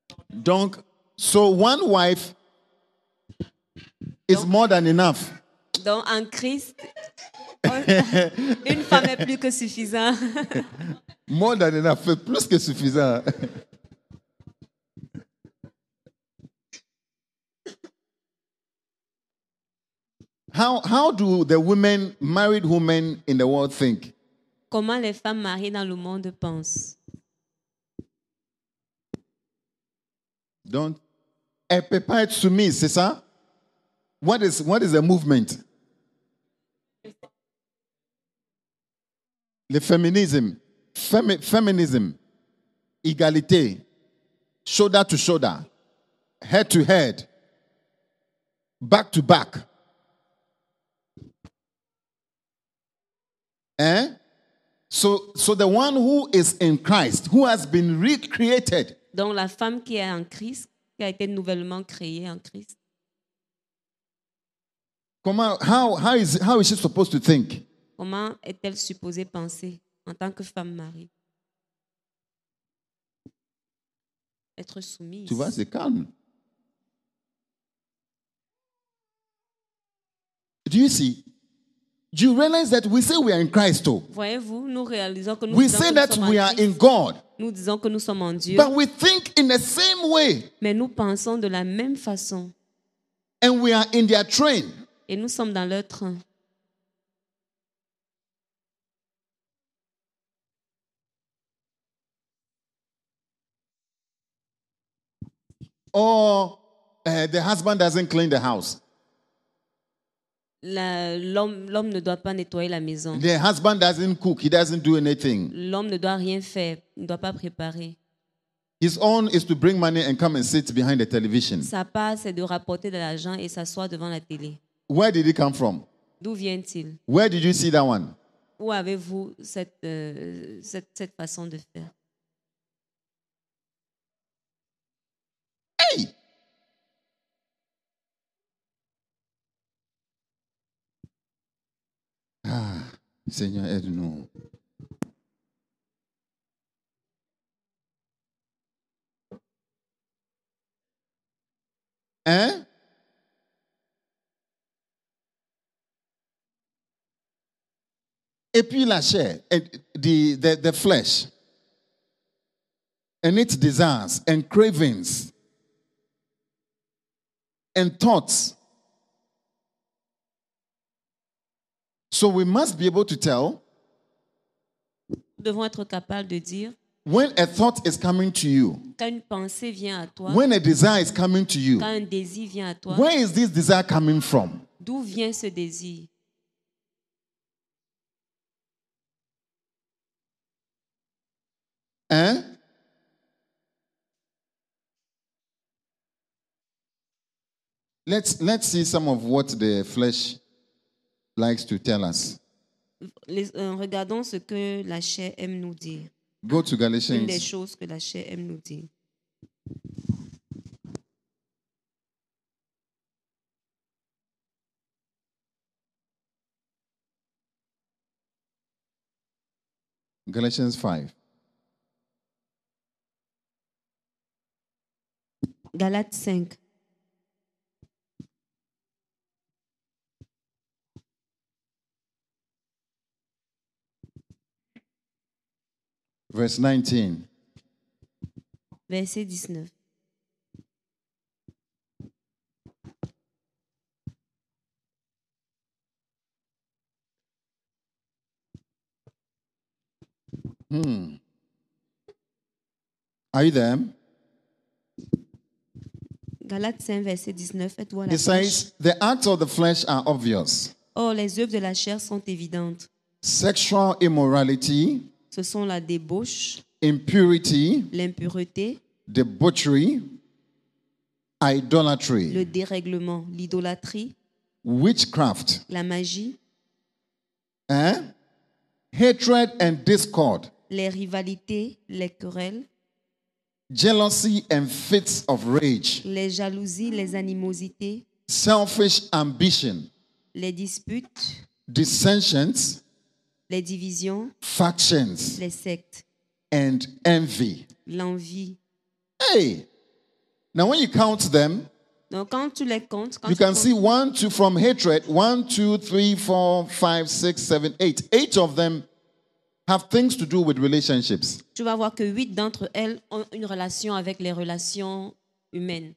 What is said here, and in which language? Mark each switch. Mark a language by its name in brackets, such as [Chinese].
[English] Donc, so one wife is donc, more than enough. [French] Donc, en Christ, une femme est plus que suffisant. [English] More than enough, [French] plus que suffisant. [English] How do the women, married women in the world think? [French] Comment les femmes mariées dans le monde pensent? [English] Don't. [French] Elle ne peut pas être soumise, c'est ça? [English] What is the movement? [French] Le féminisme. Féminisme. Égalité. [English] Shoulder to shoulder. Head to head. Back to back. So the one who is in Christ, who has been recreated. [French] Donc la femme qui est en Christ, qui a été nouvellement créée en Christ. [English] Comment, how is she supposed to think? [French] Comment est-elle supposée penser en tant que femme mariée? Être soumise. Tu vois, c'est calme. [English] Do you see? Do you realize that we say we are in Christ too? [French] Voyez-vous, nous réalisons que nous [English] we say that [French] nous [English] we are in God. [French] Nous disons que nous sommes en Dieu. [English] But we think in the same way. [French] Mais nous pensons de la même façon. [English] And we are in their train. [French] Et nous sommes dans leur train. [English] Or the husband doesn't clean the house. [French] L'homme ne doit pas nettoyer la maison. [English] The husband doesn't cook. He doesn't do anything. [French] L'homme ne doit rien faire. Il ne doit pas préparer. [English] His own is to bring money and come and sit behind the television. [French] Sa part, c'est de rapporter de l'argent et s'asseoir devant la télé. [English] Where did it come from? [French] D'où vient-il? [English] Where did you see that one? [French] Où avez-vous cette façon de faire? Hey! Ah, Seigneur, aide-nous. Hein? Et puis la chair, [English] the flesh, and its desires, and cravings, and thoughts. So we must be able to tell. [French] Nous devons être capables de dire. [English] When a thought is coming to you, [French] quand une pensée vient à toi, [English] when a desire is coming to you, [French] quand un désir vient à toi, [English] where is this desire coming from? [French] D'où vient ce désir? Hein? [English] Let's see some of what the flesh likes to tell us. [French] Regardons ce que la chair aime nous dire. [English] Go to Galatians. [French] Une des choses que la chair aime nous dire. [English] Galatians 5. [French] Galates 5. [English] Verse 19. [French] Verset 19. [English] Are you there? [French] Galates 5, verset 19. Êtes-vous à la flèche? [English] It says, the acts of the flesh are obvious. [French] Oh, les œuvres de la chair sont évidentes. [English] Sexual immorality. [French] Ce sont la débauche, [English] impurity, [French] l'impureté, [English] debauchery, idolatry, [French] le dérèglement, l'idolâtrie, [English] witchcraft, [French] la magie, [English] hein? Hatred and discord, [French] les rivalités, les querelles, [English] jealousy and fits of rage, [French] les jalousies, les animosités, [English] selfish ambition, [French] les disputes, [English] dissensions, [French] les divisions, [English] factions, [French] les sectes, [English] and envy, [French] l'envie. [English] Hey, now when you count them, [French] donc quand tu les comptes, quand [English] you can see one, two from hatred, one, two, three, four, five, six, seven, eight. Eight of them have things to do with relationships. [French] Tu vas voir que huit d'entre elles ont une relation avec les relations humaines.